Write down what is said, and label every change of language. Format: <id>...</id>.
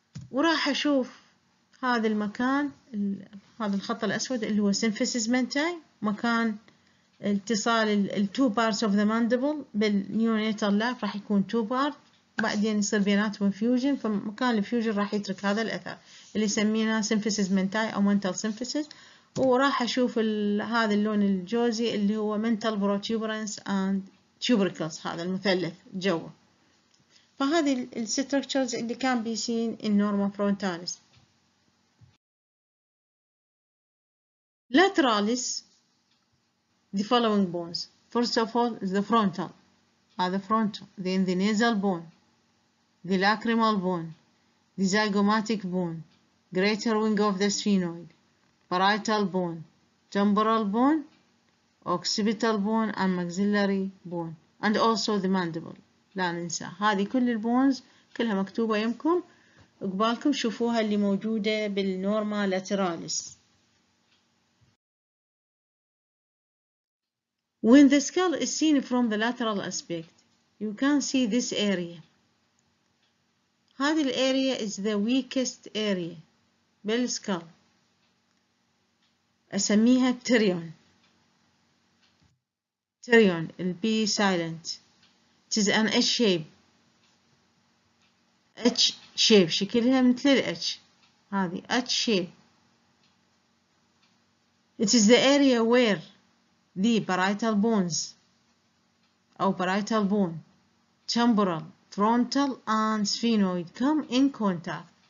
<ar>وراح أشوف هذا المكان، هذا الخط الأسود اللي هو سيمفيسيس منتاي، مكان اتصال</ar> <en>التو parts of the mandible</en> <ar>بالنيونيتال لاف، راح يكون تو بارت، بعدين يصير بيناتهم فيوجن، فمكان الفيوجن راح يترك هذا الأثر اللي سميناه سيمفيسيس منتاي أو منتال سيمفيسيس. وراح أشوف هذا اللون الجوزي اللي هو منتال بروتيوبرنس أند تيوبريكلز، هذا المثلث جوه. فهذه الستركتشرز اللي كان بيسين النورما فرونتاليس.</ar> <en>Lateralis the following bones. First of all is the frontal.</en> <ar>هذا frontal.</ar> <en>Then the nasal bone. The lacrimal bone. The zygomatic bone. Greater wing of the sphenoid. Parietal bone. Temporal bone. Occipital bone and maxillary bone. And also the mandible.</en> <ar>لا ننسى. هذه كل البونز كلها مكتوبة يمكم. اقبالكم شوفوها اللي موجودة بالنورما لاتراليس.</ar> <en>When the skull is seen from the lateral aspect, you can see this area.</en> <ar>هذه الأريه</ar> <en>is the weakest area بالسكال.</en> <ar>أسميها تريون. تريون ال B silent.</ar> <en>It is an H shape. H shape</en> <ar>شكلها مثل ال H. هذه H shape.</ar> <en>It is the area where the parietal bones أو parietal bone, temporal, frontal and sphenoid come in contact.</en>